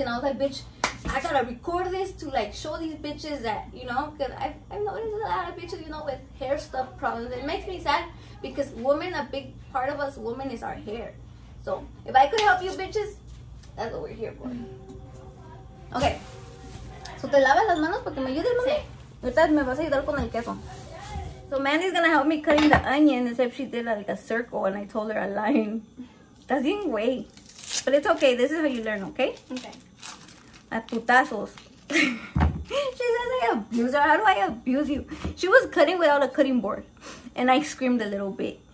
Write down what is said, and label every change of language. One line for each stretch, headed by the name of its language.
English: And I was like, bitch, I gotta record this to like show these bitches that, you know, because I've noticed a lot of bitches, you know, with hair stuff problems. It makes me sad because women, a big part of us women is our hair. So if I could help you bitches, that's what we're here for. Okay.
Spanish: So te lavas las manos porque me ayudes, mami. Ahorita me vas a ayudar con el queso.
English: So Mandy's gonna help me cutting the onion, except she did like a circle and I told her a line. That's in way. But it's okay. This is how you learn, okay? Okay.
Spanish: A putazos.
English: She says I abuse her. How do I abuse you? She was cutting without a cutting board. And I screamed a little bit.